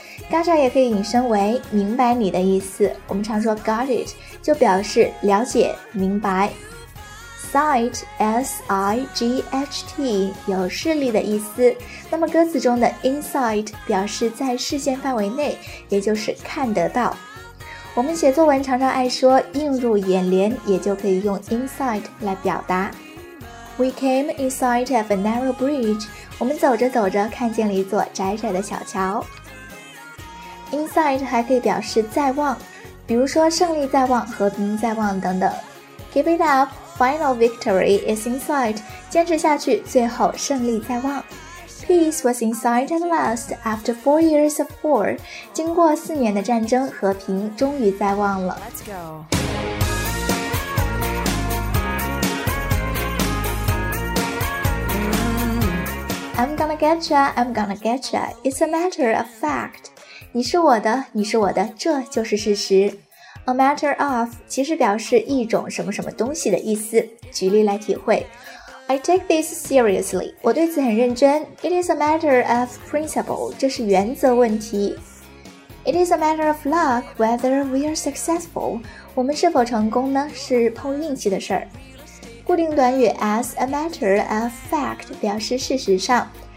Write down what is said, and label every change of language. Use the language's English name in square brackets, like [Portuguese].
[Chinese] Gotcha 也可以引申为明白你的意思我们常说 [English] got it [Chinese] 就表示了解明白 sight S-I-G-H-T 有视力的意思那么歌词中的 insight 表示在视线范围内也就是看得到我们写作文常常爱说映入眼帘也就可以用 insight 来表达 [English] We came in sight of a narrow bridge [Chinese] 我们走着走着看见了一座窄窄的小桥Insight 还可以表示在望，比如说胜利在望、和平在望等等。 [English] Give it up, final victory is in sight. [Chinese] 坚持下去，最后胜利在望。 [English] Peace was in sight at last after 4 years of war. [Chinese] 经过四年的战争，和平终于在望了。 [English] Let's go. I'm gonna get ya, I'm gonna get ya. It's a matter of fact. [Chinese] 你是我的，你是我的，这就是事实。A matter of 其实表示一种什么什么东西的意思。举例来体会 ， [English] I take this seriously， [Chinese] 我对此很认真。 [English] It is a matter of principle， [Chinese] 这是原则问题。 [English] It is a matter of luck whether we are successful， [Chinese] 我们是否成功呢？是碰运气的事儿。固定短语 as a matter of fact 表示事实上。